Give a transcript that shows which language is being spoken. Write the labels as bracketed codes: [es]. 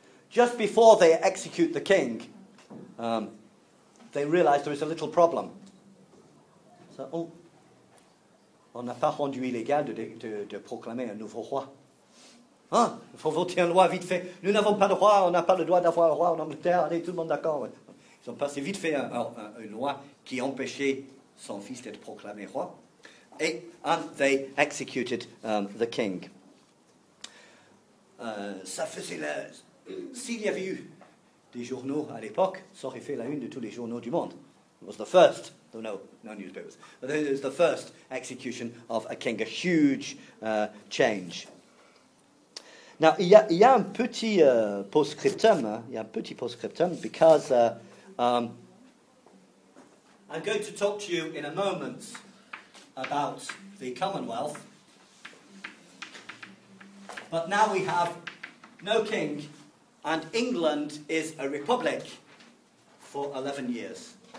[en] Just before they execute the king, they realise there is a little problem. [fr] So, on n'a pas rendu illégal de proclamer un nouveau roi. Hein? Il faut voter une loi vite fait. Nous n'avons pas de roi, on n'a pas le droit d'avoir un roi en Angleterre. Allez, tout le monde d'accord. Ouais. Ils ont passé vite fait une loi qui empêchait son fils d'être proclamé roi. [en] And they executed the king. [fr] Ça faisait la... S'il y avait eu des journaux à l'époque, ça aurait fait la une de tous les journaux du monde. [en] It was the first, though no newspapers, but it was the first execution of a king, a huge change. Now, [fr] il y a un petit post-scriptum, [en] because I'm going to talk to you in a moment about the Commonwealth, but now we have no king, and England is a republic for 11 years.